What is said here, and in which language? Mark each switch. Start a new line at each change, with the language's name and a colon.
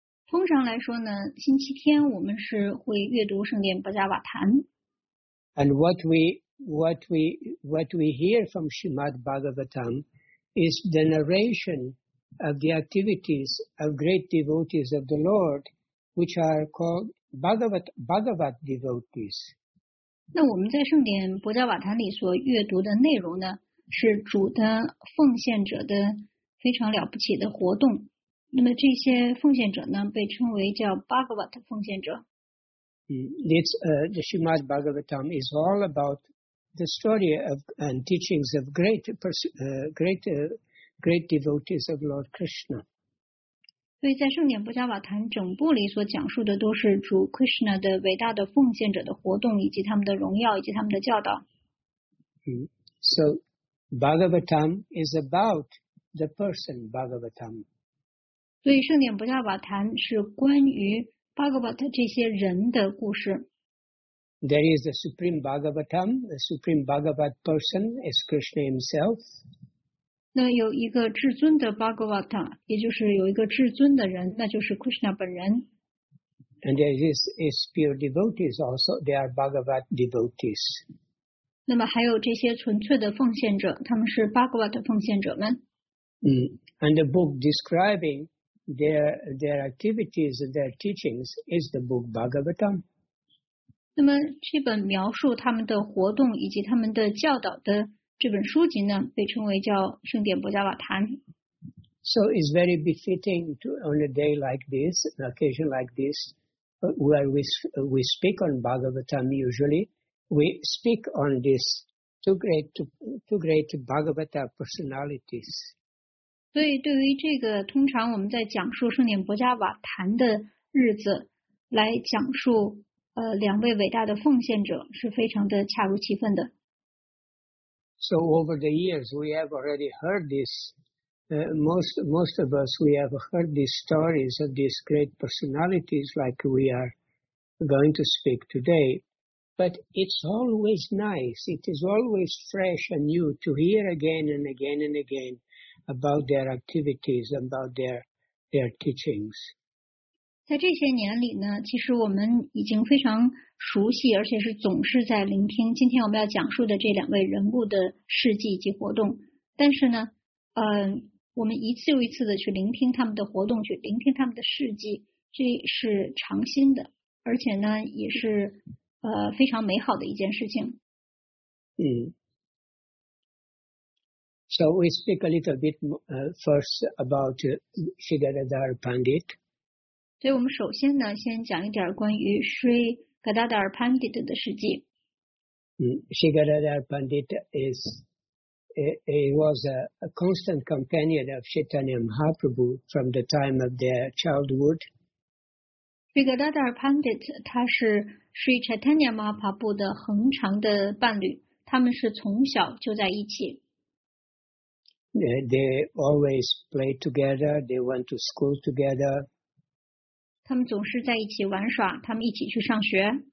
Chinese: 通常来说呢，星期天我们是会阅读圣殿巴加瓦坛。
English: And what we hear from Srimad Bhagavatam is the narration of the activities of great devotees of the Lord, which are calledBhagavat devotees.
Chinese: 那我们在圣殿博加瓦坛里所阅读的内容呢，是主的奉献者的非常了不起的活动。那么这些奉献者呢，被称为叫 Bhagavat 奉献者。
English: The Srimad Bhagavatam is all about the story of and teachings of great devotees of Lord Krishna.
Chinese: 所以在圣典布加瓦坛整部里所讲述的都是主 Krishna 的伟大的奉献者的活动以及他们的荣耀以及他们的教导。
English: So, Bhagavatam is about the person Bhagavatam.
Chinese: 所以圣典布加瓦坛是关于 Bhagavat 这些人的故事。
English: There is the Supreme Bhagavatam, the Supreme Bhagavat person is Krishna himself.
Chinese: 那有一个至尊的 Bhagavata, 也就是有一个至尊的人，那就是 Krishna 本人。
English: And there is pure devotees also, they are Bhagavat devotees.
Chinese: 那么还有这些纯粹的奉献者，他们是 Bhagavat 奉献者们。
English: And the book describing their activities and their teachings is the book Bhagavatam.
Chinese: 那么这本描述他们的活动以及他们的教导的这本书籍呢，被称为叫《圣典博加瓦坛》。
English: So it's very befitting to on a day like this, an occasion like this, where we speak on Bhagavatam. Usually, we speak on this two great Bhagavata personalities.
Chinese: 所以，对于这个通常我们在讲述圣典博加瓦坛的日子来讲述两位伟大的奉献者，是非常的恰如其分的。
English: So over the years, we have already heard this. Most of us, we have heard these stories of these great personalities like we are going to speak today. But it's always nice, it is always fresh and new to hear again and again and again about their activities, about their teachings.
Chinese: 在这些年里呢，其实我们已经非常熟悉，而且是总是在聆听今天我们要讲述的这两位人物的事迹及活动。但是呢，我们一次又一次的去聆听他们的活动，去聆听他们的事迹，这是常新的，而且呢，也是非常美好的一件事情。嗯。
English: So we speak a little bit first about Sridhar Pandit.
Chinese: 所以我们首先呢先讲一点关于 Sri Gadadhar Pandit 的事迹。
English: Sri Gadadhar Pandit was a constant companion of Chaitanya Mahaprabhu from the time of their childhood.
Chinese: Sri Gadadhar Pandit 他是 Sri Chaitanya Mahaprabhu 的恒常的伴侣，他们是从小就在一起。
English: They always play together, they went to school together.
Chinese: 他们总是在一起玩耍，他们一起去上学。